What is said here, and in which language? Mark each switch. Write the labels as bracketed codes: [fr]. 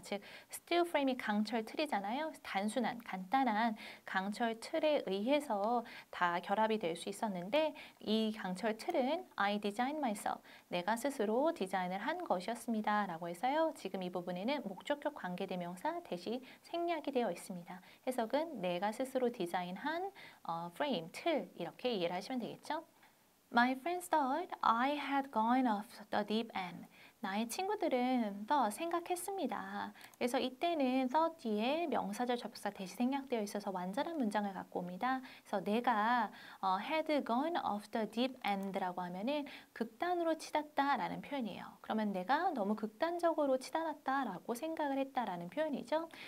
[ko] 즉, steel frame이 강철 틀이잖아요. 단순한, 간단한 강철 틀에 의해서 다 결합이 될수 있었는데 이 강철 틀은 [en] I designed myself. [ko] 내가 스스로 디자인을 한 것이었습니다라고 해서요. 지금 이 부분에는 목적격 관계대명사 대시 생략이 되어 있습니다. 해석은 내가 스스로 디자인한 프레임, 틀 이렇게 이해를 하시면 되겠죠. [en] My friends thought I had gone off the deep end. [ko] 나의 친구들은 thought 생각했습니다. 그래서 이때는 thought 뒤에 명사절 접속사 대시 생략되어 있어서 완전한 문장을 갖고 옵니다. 그래서 내가 [en] had gone off the deep end [ko] 라고 하면은 극단으로 치닫다라는 표현이에요. 그러면 내가 너무 극단적으로 치닫았다라고 생각을 했다라는 표현이죠.